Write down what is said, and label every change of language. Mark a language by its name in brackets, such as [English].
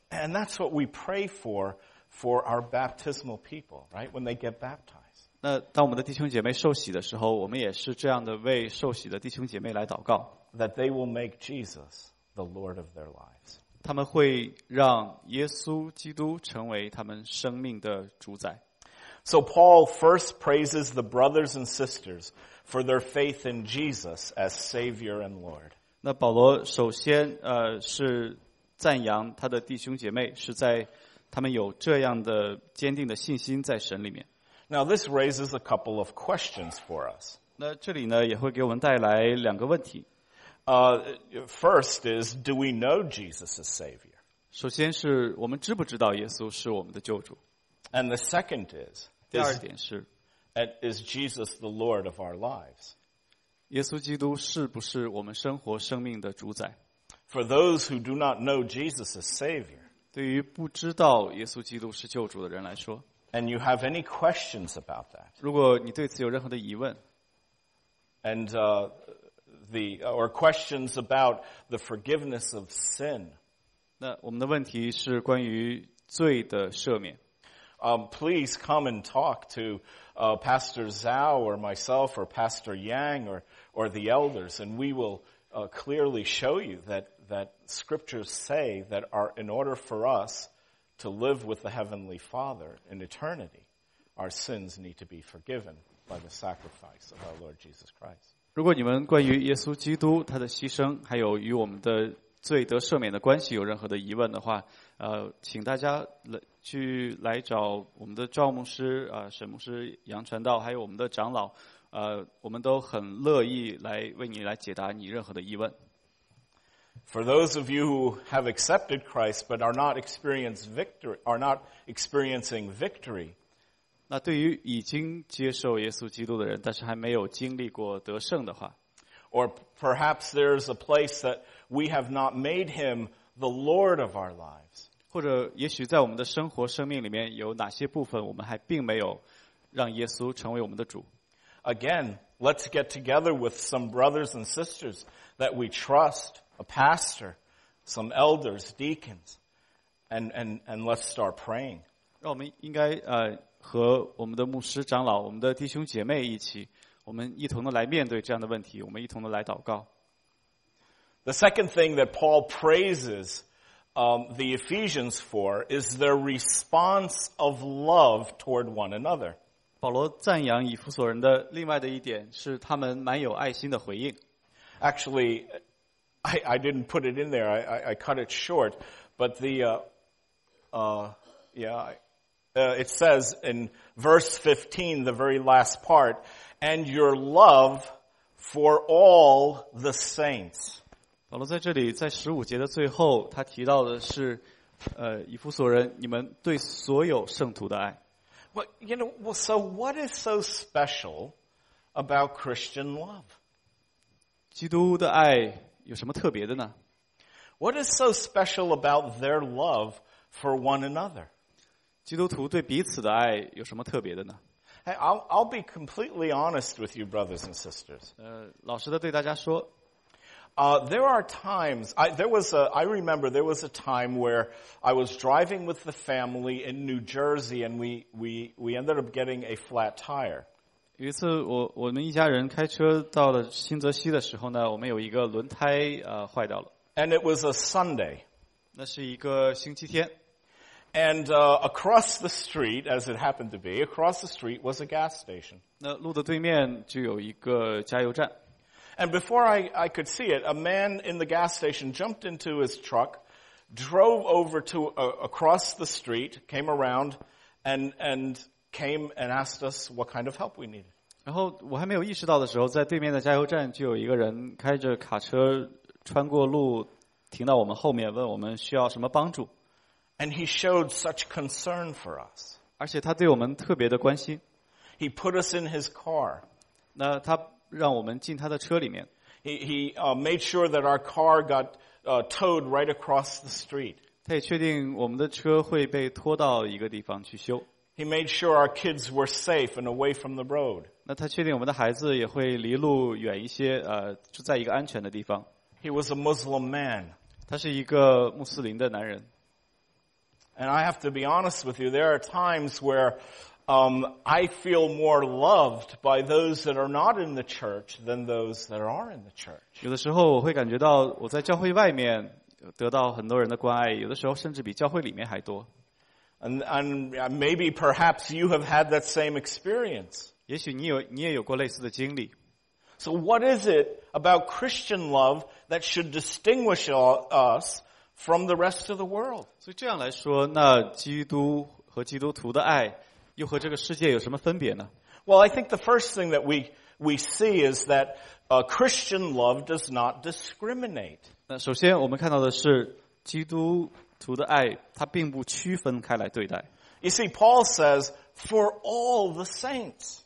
[English] And that's what we pray for our baptismal people, right? When they get baptized. [Chinese] 那当我们的弟兄姐妹受洗的时候，我们也是这样的为受洗的弟兄姐妹来祷告。 [English] That they will make Jesus the Lord of their lives. [Chinese] 他们会让耶稣基督成为他们生命的主宰。 [English] So Paul first praises the brothers and sisters for their faith in Jesus as Savior and Lord. [Chinese] 那保罗首先是赞扬他的弟兄姐妹是在他们有这样的坚定的信心在神里面。 [English] Now this raises a couple of questions for us. [Chinese] 那这里呢也会给我们带来两个问题。 [English] First is, do we know Jesus as Savior? [Chinese] 首先是我们知不知道耶稣是我们的救主。 [English] And the second is, [Chinese] 第二点是 [English] is Jesus the Lord of our lives? [Chinese] 耶稣基督是不是我们生活生命的主宰？ [English] For those who do not know Jesus as Savior, [Chinese] 对于不知道耶稣基督是救主的人来说， [English] and you have any questions about that, [Chinese] 如果你对此有任何的疑问， [English] and or questions about the forgiveness of sin, [Chinese] 那我们的问题是关于罪的赦免。 [English] Please come and talk to Pastor Zhao or myself or Pastor Yang or the elders, and we will clearly show you that scriptures say that in order for us to live with the Heavenly Father in eternity, our sins need to be forgiven by the sacrifice of our Lord Jesus Christ. [Chinese] 如果你们关于耶稣基督他的牺牲还有与我们的罪得赦免的关系有任何的疑问的话，请大家来找我们的赵牧师、沈牧师、杨传道还有我们的长老，我们都很乐意来为你来解答你任何的疑问。 [English] For those of you who have accepted Christ but are not experiencing victory, [Chinese] 那对于已经接受耶稣基督的人，但是还没有经历过得胜的话 [English] ，or perhaps there's a place that we have not made Him the Lord of our lives. [Chinese] 或者也许在我们的生活生命里面有哪些部分我们还并没有让耶稣成为我们的主。 [English] Again, let's get together with some brothers and sisters that we trust, a pastor, some elders, deacons, and let's start praying. [Chinese] 让我们应该和我们的牧师长老，我们的弟兄姐妹一起，我们一同的来面对这样的问题，我们一同的来祷告。 [English] The second thing that Paul praises the Ephesians for is their response of love toward one another. [Chinese] 保罗赞扬以弗所人的另外的一点是他们蛮有爱心的回应。 [English] Actually, I didn't put it in there. I cut it short. But it says in verse 15, the very last part, and your love for all the saints. [Chinese] 保罗在这里在十五节的最后他提到的是以弗所人你们对所有圣徒的爱。 [English] Well, you know, well, so what is so special about Christian love? [Chinese] 基督的爱有什么特别的呢？ [English] What is so special about their love for one another? [Chinese] 基督徒对彼此的爱有什么特别的呢？ [English] Hey, I'll be completely honest with you, brothers and sisters. [Chinese] 老实的对大家说 [English] There was a time where I was driving with the family in New Jersey and we ended up getting a flat tire. [Chinese] 有一次我们一家人开车到了新泽西的时候呢，我们有一个轮胎坏掉了。 [English] And it was a Sunday. [Chinese] 那是一个星期天。 [English] And across the street, as it happened to be, across the street was a gas station. [Chinese] 那路的对面就有一个加油站。 [English] And before I could see it, a man in the gas station jumped into his truck, drove over to across the street, came around, and came and asked us what kind of help we needed. [Chinese] 然后我还没有意识到的时候，在对面的加油站就有一个人开着卡车穿过路，停到我们后面，问我们需要什么帮助。 [English] And he showed such concern for us. [Chinese] 而且他对我们特别的关心。 [English] He put us in his car. [Chinese] 那他让我们进他的车里面。 [English] He made sure that our car got towed right across the street. [Chinese] 他也确定我们的车会被拖到一个地方去修。 [English] He made sure our kids were safe and away from the road. [Chinese] 那他确定我们的孩子也会离路远一些，就在一个安全的地方。 [English] He was a Muslim man. [Chinese] 他是一个穆斯林的男人。 [English] And I have to be honest with you, there are times where, I feel more loved by those that are not in the church than those that are in the church. [Chinese] 有的时候我会感觉到我在教会外面得到很多人的关爱，有的时候甚至比教会里面还多。 [English] And maybe perhaps you have had that same experience. [Chinese] 也许你也有过类似的经历。 [English] So what is it about Christian love that should distinguish us from the rest of the world? [Chinese] 所以这样来说，那基督和基督徒的爱又和这个世界有什么分别呢？ [English] Well, I think the first thing that we see is that Christian love does not discriminate. [Chinese] 那首先我们看到的是基督徒的爱它并不区分开来对待。 [English] You see, Paul says, for all the saints.